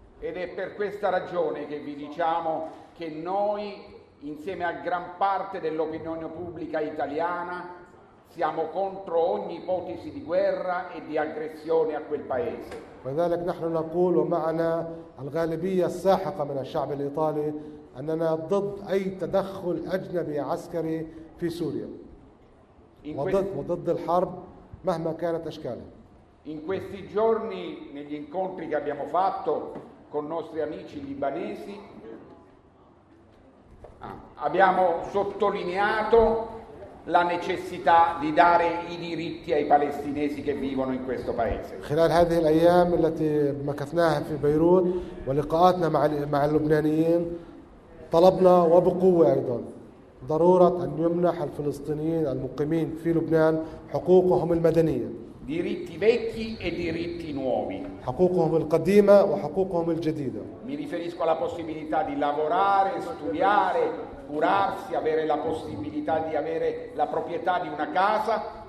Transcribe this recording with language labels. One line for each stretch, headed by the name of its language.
Italian: Ed è per questa ragione che vi diciamo che noi insieme a gran parte dell'opinione pubblica italiana siamo contro ogni ipotesi di guerra e di aggressione a quel paese.
Arabic: وذلك نحن نقول ومعنا الغالبية الساحقة من الشعب الإيطالي أننا ضد أي تدخل أجنبي عسكري في سوريا. وضد الحرب مهما كانت أشكالها.
Italian: In questi giorni negli incontri che abbiamo fatto con nostri amici libanesi abbiamo sottolineato la necessità di dare i diritti ai palestinesi che vivono in questo paese.
Arabic: خلال هذه الأيام التي مكثناها في بيروت ولقاءاتنا مع اللبنانيين طلبنا وبقوة أيضا ضرورة أن يمنح الفلسطينيين المقيمين في لبنان حقوقهم المدنية.
Italian: Diritti vecchi e diritti nuovi.
Arabic: حقوقهم القديمة وحقوقهم الجديدة.
Italian: Mi riferisco alla possibilità di lavorare, studiare, curarsi, avere la possibilità di avere la proprietà di una casa.